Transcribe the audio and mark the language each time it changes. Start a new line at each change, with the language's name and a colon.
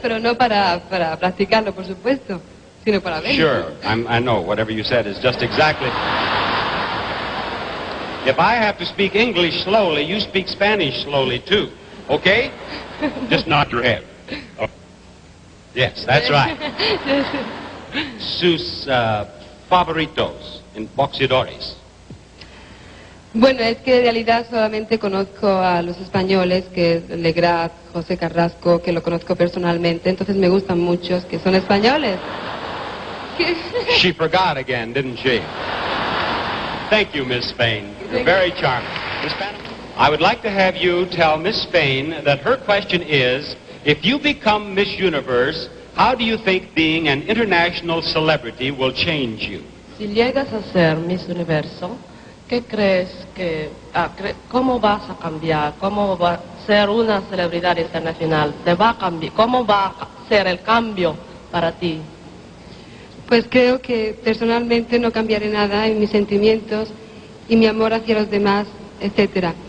Spanish: Pero no para practicarlo, por supuesto, sino para verlo.
English: Sure, I know, whatever you said is just exactly... If I have to speak English slowly, you speak Spanish slowly too, okay? Just nod your head. Oh. Yes, that's right.
Spanish: Sus... favoritos en boxeadores. Bueno, es que en realidad solamente conozco a los españoles, que es Legrat, José Carrasco, que lo conozco personalmente, entonces me gustan muchos que son españoles.
English: She forgot again, didn't she? Thank you, Miss Spain. You're very charming. Miss Spain, I would like to have you tell Miss Spain that her question is, if you become Miss Universe, how do you think being an international celebrity will change you?
Spanish: Si llegas a ser Miss Universo, ¿qué crees que... ¿cómo vas a cambiar? ¿Cómo va a ser una celebridad internacional? ¿Te va a cambiar? ¿Cómo va a ser el cambio para ti? Pues creo que personalmente no cambiaré nada en mis sentimientos y mi amor hacia los demás, etc.